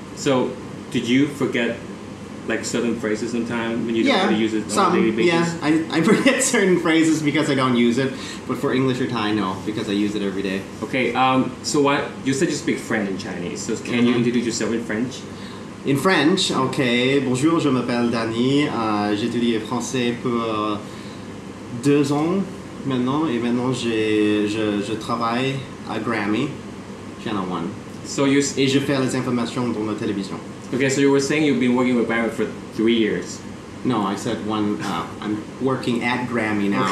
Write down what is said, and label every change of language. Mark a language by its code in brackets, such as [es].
[en] So, did you forget like certain phrases sometimes when you don't know how to use it on some, a daily basis? Yeah, I forget certain phrases because I don't use it, but for English or Thai, no, because I use it every day. Okay, so what, you said you speak French and Chinese, so can you introduce yourself in French? In French, okay. [fr] Bonjour, je m'appelle Danny. J'ai étudié français pour 2 ans maintenant, et maintenant je travaille à Grammy, Channel 1. [en] So you [fr] et je fais les informations dans la télévision. [en] Okay, so you were saying you've been working with Grammy for 3 years. No, I said I'm working at Grammy now.